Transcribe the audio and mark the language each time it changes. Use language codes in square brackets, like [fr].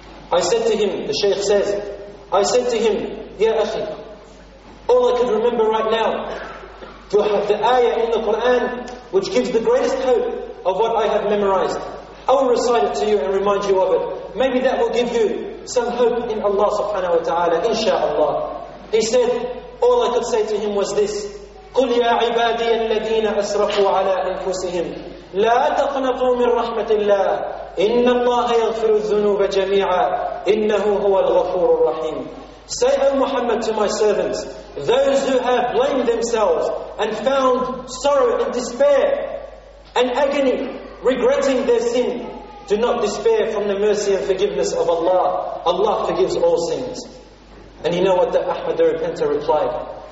[en] I said to him, the Shaykh says, I said to him, Ya Akhi, all I can remember right now, the ayah in the Quran which gives the greatest hope of what I have memorized. I will recite it to you and remind you of it. Maybe that will give you some hope in Allah subhanahu wa ta'ala, inshaAllah. He said, all I could say to him was this, [ar] قُلْ يَا عِبَادِيَ الَّذِينَ أَسْرَفُوا عَلَىٰ أَنفُسِهِمْ لَا تَقْنَطُوا مِنْ رَحْمَةِ اللَّهِ إِنَّ اللَّهَ يَغْفِرُ الذُّنُوبَ جَمِيعًا إِنَّهُ هُوَ الْغَفُورُ الرَّحِيمُ. [en] Say, O Muhammad, to my servants, those who have blamed themselves and found sorrow and despair and agony, regretting their sin, do not despair from the mercy and forgiveness of Allah. Allah forgives all sins. And you know what the Ahmad the Repenter replied?